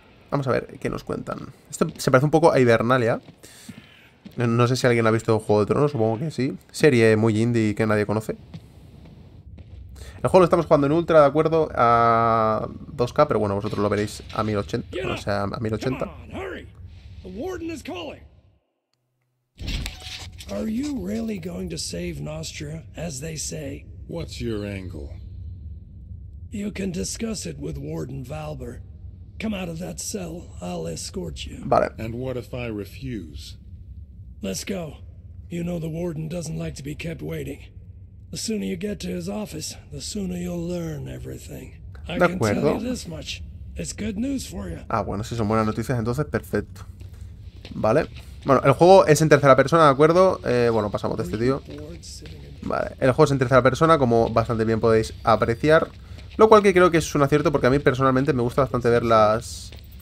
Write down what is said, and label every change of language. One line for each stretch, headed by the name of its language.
Spanish: Vamos a ver qué nos cuentan. Esto se parece un poco a Hibernalia. No sé si alguien ha visto Juego de Tronos, supongo que sí. Serie muy indie que nadie conoce. El juego lo estamos jugando en ultra, de acuerdo, a 2K, pero bueno, vosotros lo veréis a 1080, o sea, a 1080.
English: Warden is calling. Are you really going to save Nostra, as they say? What's your angle? You can discuss it with Warden Valber. Come out of that cell, I'll escort you. Vale. And what if I refuse? Let's go. You know the Warden doesn't like to be kept waiting. The sooner you get to his office, the sooner you'll learn everything. I can tell you this much. It's good news for you.
Spanish: Ah, bueno, si son buenas noticias, entonces perfecto. Vale. Bueno, el juego es en tercera persona, ¿de acuerdo? Bueno, pasamos de este tío. Vale, el juego es en tercera persona, como bastante bien podéis apreciar. Lo cual que creo que es un acierto, porque a mí personalmente me gusta bastante ver las...